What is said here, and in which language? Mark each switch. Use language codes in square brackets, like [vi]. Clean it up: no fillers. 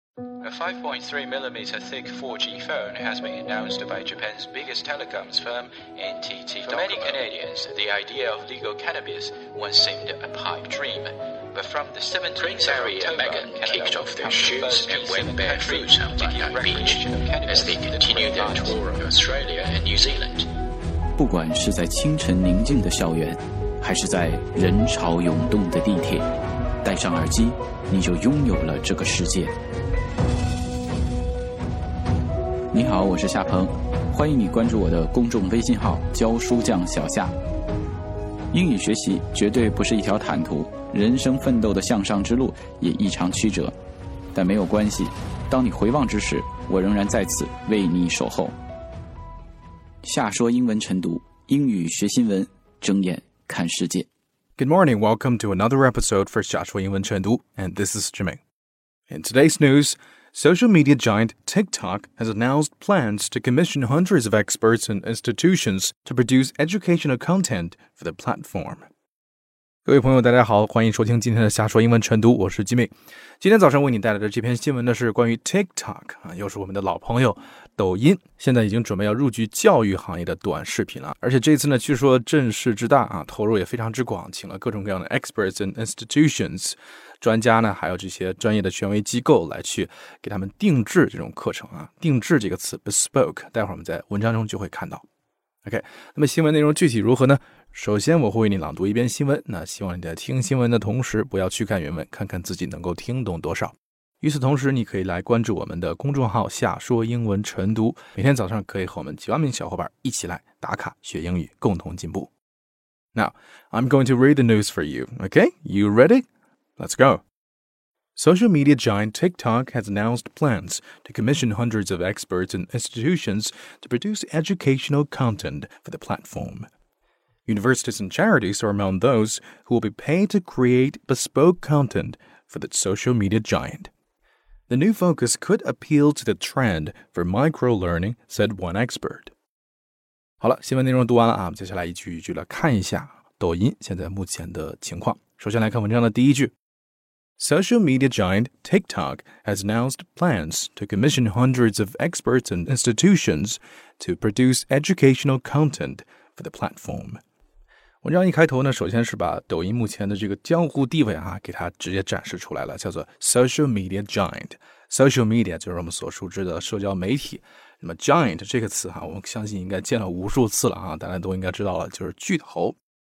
[en] A 5.3mm thick 4G phone has been announced by Japan's biggest telecoms firm, NTT Docomo. For many Canadians, the idea of legal cannabis once seemed a pipe dream. But from the 17th of October, Megan kicked off their shoes and went barefoot on Bondi Beach as they continued their tour of Australia and New Zealand. [zh] 不管是在清晨宁静的校园，还是在人潮涌动的地铁，戴上耳机，你就拥有了这个世界。你好，我是夏鹏，欢迎你关注我的公众微信号“教书匠小夏”。英语学习绝对不是一条坦途，人生奋斗的向上之路也异常曲折，但没有关系，当你回望之时，我仍然在此为你守候。夏说英文晨读，英语学新闻，睁眼看世界。 [en] Good morning, welcome to another episode for 夏说英文晨读, and this is Jimmy. In today's news, social media giant TikTok has announced plans to commission hundreds of experts and institutions to produce educational content for the platform. [zh] 各位朋友大家好，欢迎收听今天的夏说英文晨读，我是 Jimmy。今天早上为你带来的这篇新闻呢，是关于 TikTok, 又是我们的老朋友。抖音现在已经准备要入局教育行业的短视频了，而且这次呢，据说阵势之大啊，投入也非常之广，请了各种各样的 [en] experts and institutions [zh] 专家呢，还有这些专业的权威机构来去给他们定制这种课程啊。定制这个词 bespoke， 待会儿我们在文章中就会看到。 OK， 那么新闻内容具体如何呢？首先我会为你朗读一遍新闻，那希望你在听新闻的同时，不要去看原文，看看自己能够听懂多少。与此同时，你可以来关注我们的公众号夏说英文晨读，每天早上可以和我们几万名小伙伴一起来打卡学英语，共同进步。 [en] Now, I'm going to read the news for you, okay? You ready? Let's go! Social media giant TikTok has announced plans to commission hundreds of experts and institutions to produce educational content for the platform. Universities and charities are among those who will be paid to create bespoke content for the social media giant. The new focus could appeal to the trend for micro-learning, said one expert. [zh] 好了，新闻内容读完了啊，接下来一句一句来看一下抖音现在目前的情况。首先来看文章的第一句。 [en] Social media giant TikTok has announced plans to commission hundreds of experts and institutions to produce educational content for the platform. [zh] 文章一开头呢，首先是把抖音目前的这个江湖地位啊，给它直接展示出来了，叫做 social media giant。 social media 就是我们所熟知的社交媒体。那么 giant 这个词啊，我们相信应该见了无数次了啊，大家都应该知道了，就是巨头。